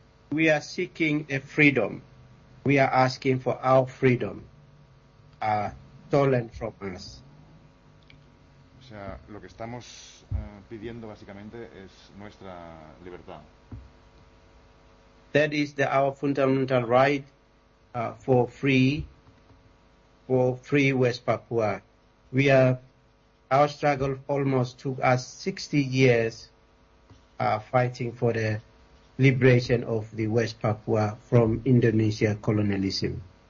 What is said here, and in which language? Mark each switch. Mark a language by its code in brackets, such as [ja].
[en] We are seeking a freedom. We are asking for our freedom stolen from us. [es] O sea, lo que estamos pidiendo básicamente es nuestra libertad. [en] That is the our fundamental right for free. For free West Papua, we are. Our struggle almost took us 60 years, fighting for the liberation of the West Papua from Indonesia colonialism.